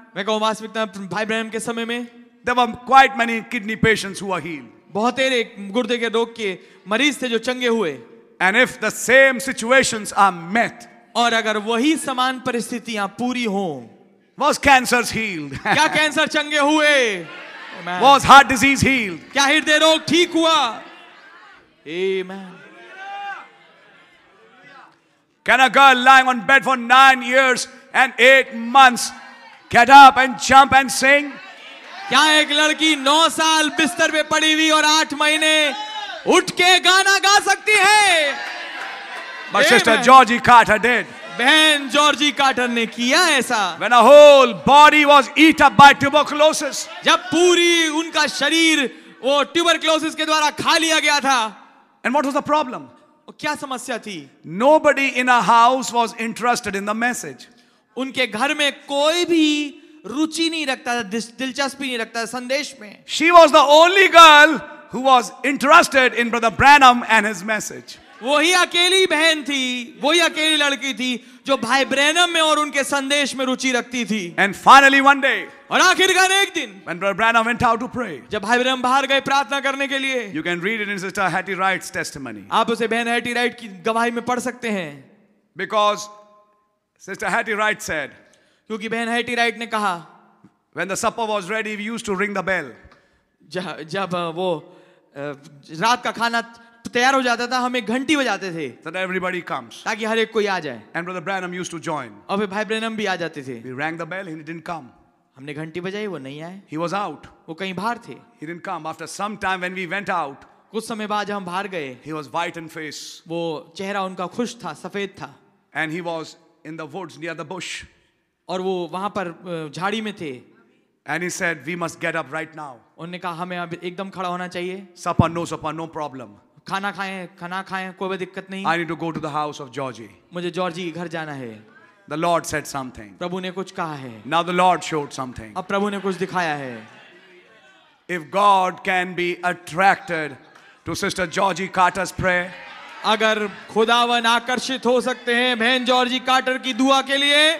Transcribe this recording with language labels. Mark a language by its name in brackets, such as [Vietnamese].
[Hindi] मैं कहूँ वास्तविक भाई ब्रैनम के समय में, [English] there were quite many kidney patients who were healed. [Hindi] बहुत सारे गुर्दे के रोग के मरीज थे जो चंगे हुए। [English] And if the same situations are met, [Hindi] और अगर वही समान परिस्थितियां पूरी हों, [English] was cancers healed? [Hindi] क्या कैंसर चंगे हुए? [English] Amen. Was heart disease healed? [Hindi] क्या हृदय रोग ठीक हुआ? Amen. [English] Can a girl lying on bed for 9 years and 8 months get up and jump and sing? [Hindi] क्या एक लड़की 9 साल बिस्तर पे पड़ी हुई और 8 महीने उठ के गाना गा सकती है? [English] My sister Georgie Carter did. [Hindi] बहन जॉर्जी कार्टर ने किया ऐसा। [English] When a whole body was eaten up by tuberculosis. [Hindi] जब पूरी उनका शरीर वो tuberculosis के द्वारा खा लिया गया था। [English] And what was the problem? [Hindi] क्या समस्या थी? [English] Nobody in a house was interested in the message. [Hindi] उनके घर में कोई भी रुचि नहीं रखता था, दिलचस्पी नहीं रखता था संदेश में। [English] She was the only girl who was interested in Brother Branham and his message. [Hindi] वही अकेली बहन थी, वही अकेली लड़की थी जो भाई ब्रैनम में और उनके संदेश में रुचि रखती थी। [English] And finally one day, [Hindi] और आखिरकार एक दिन, [English] when Brother Branham went out to pray, [Hindi] जब भाई ब्रैनम बाहर गए प्रार्थना करने के लिए, [English] you can read it in Sister Hattie Wright's testimony. [Hindi] आप उसे बहन हैटी राइट की गवाही में पढ़ सकते हैं। [English] Because Sister Hattie Wright said, [Hindi] क्योंकि बहन हैटी राइट ने कहा, [English] when the supper was ready, we used to ring the bell. [Hindi] जब वो रात का खाना तैयार हो जाता था, हमें घंटी बजाते थे, [English] that everybody comes. [Hindi] ताकि हर एक कोई आ जाए। [English] And Brother Branham used to join. [Hindi] और फिर भाई ब्रैनम भी आ जाते थे। [English] We rang the bell, he didn't come. [Hindi] हमने घंटी बजाई, वो नहीं आए। [English] He was out. [Hindi] वो कहीं बाहर थे। [English] He didn't come. After some time, when we went out, [Hindi] कुछ समय बाद जब हम बाहर गए, [English] he was white in face. [Hindi] वो चेहरा उनका खुश था, सफेद था। [English] And he was in the woods near the bush. [Hindi] और वो वहां पर झाड़ी में थे। [English] And he said, we must get up right now. [Hindi] उन्होंने कहा हमें अब एकदम खड़ा होना चाहिए। [English] Supper, no problem. [Hindi] खाना खाएं कोई भी दिक्कत नहीं। [English] I need to go to the house of Georgie. [Hindi] मुझे जॉर्जी के घर जाना है। [English] The Lord said something. [Hindi] प्रभु ने कुछ कहा है। [English] Now the Lord showed something. [Hindi] अब प्रभु ने कुछ दिखाया है। [English] If God can be attracted to Sister Georgie Carter's prayer, [Hindi] अगर खुदावन आकर्षित हो सकते हैं बहन जॉर्जी कार्टर की दुआ के लिए,